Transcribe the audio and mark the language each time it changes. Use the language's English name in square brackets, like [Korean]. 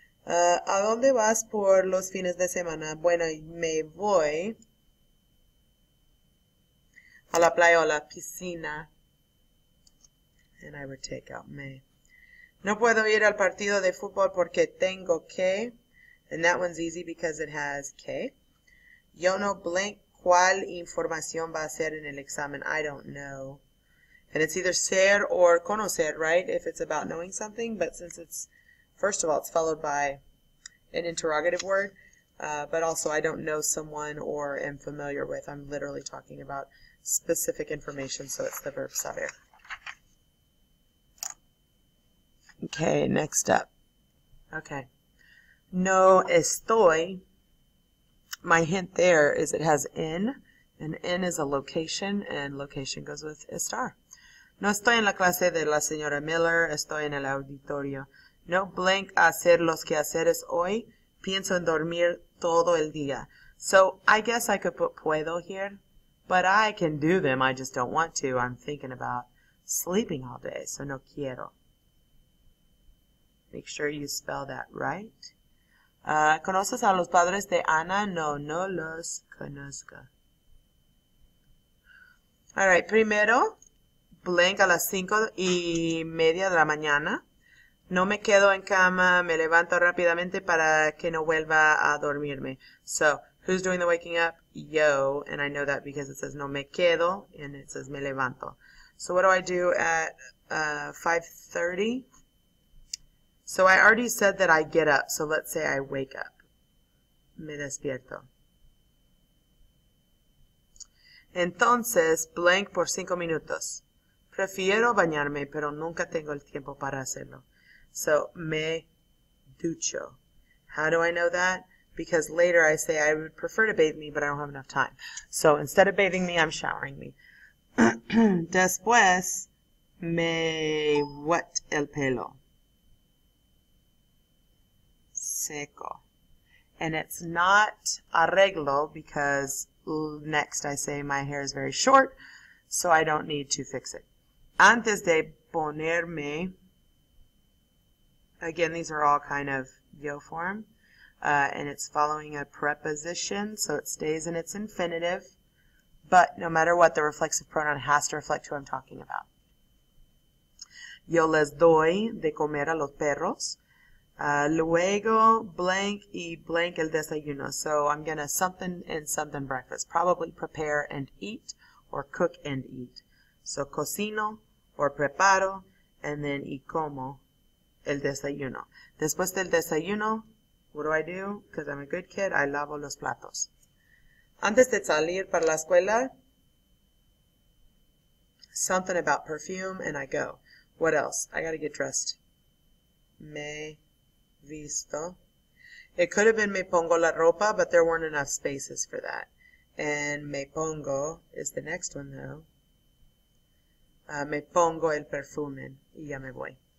[Spanish] ¿A dónde vas por los fines de semana? Bueno, me voy a la playa o la piscina. [English] And I would take out me. [Spanish] No puedo ir al partido de fútbol porque tengo que. [English] And that one's easy because it has que. [Spanish] Yo no blank. ¿Cuál información va a ser en el examen? [English] I don't know. And it's either ser or conocer, right? If it's about knowing something. But since it's, first of all, it's followed by an interrogative word. But also, I don't know someone or am familiar with. I'm literally talking about specific information, so it's the verb saber. Okay, next up. Okay. [Spanish] No estoy. [English] My hint there is it has N, An inn is a location, and location goes with a star. [Spanish] No estoy en la clase de la señora Miller. Estoy en el auditorio. No blank hacer los quehaceres hoy. Pienso en dormir todo el día. [English] So I guess I could put puedo here, but I can do them. I just don't want to. I'm thinking about sleeping all day, so [Spanish] no quiero. [English] Make sure you spell that right. [Spanish] ¿Conoces a los padres de Ana? No, no los conozco. [English] All right, [Spanish] primero, blank a las 5:30 de la mañana. No me quedo en cama, me levanto rápidamente para que no vuelva a dormirme. [English] So, who's doing the waking up? Yo, and I know that because it says [Spanish] no me quedo, [English] and it says [Spanish] me levanto. [English] So what do I do at 5:30? So I already said that I get up, so let's say I wake up. [Spanish] Me despierto. [English] Entonces, blank por 5 minutos. Prefiero bañarme, pero nunca tengo el tiempo para hacerlo. So, [Spanish] me ducho. [English] How do I know that? Because later I say I would prefer to bathe me, but I don't have enough time. So, instead of bathing me, I'm showering me. [Spanish] Después, [English] me wet el pelo. Seco. And it's not arreglo because next I say my hair is very short, so I don't need to fix it. [Spanish] Antes de ponerme, [English] again, these are all kind of yo form, and it's following a preposition, so it stays in its infinitive, but no matter what, the reflexive pronoun has to reflect who I'm talking about. [Spanish] Yo les doy de comer a los perros. Luego, blank y blank el desayuno. [English] So I'm going to something and something breakfast. Probably prepare and eat or cook and eat. So cocino or preparo and then [Spanish] y como el desayuno. Después del desayuno, [English] what do? Because I'm a good kid, I [Spanish] lavo los platos. Antes de salir para la escuela, [English] something about perfume and I go. What else? I got to get dressed. [Spanish] Me visto. [English] It could have been [Spanish] me pongo la ropa, [English] but there weren't enough spaces for that. And [Spanish] me pongo [English] is the next one, though. [Spanish] Me pongo el perfume y ya me voy.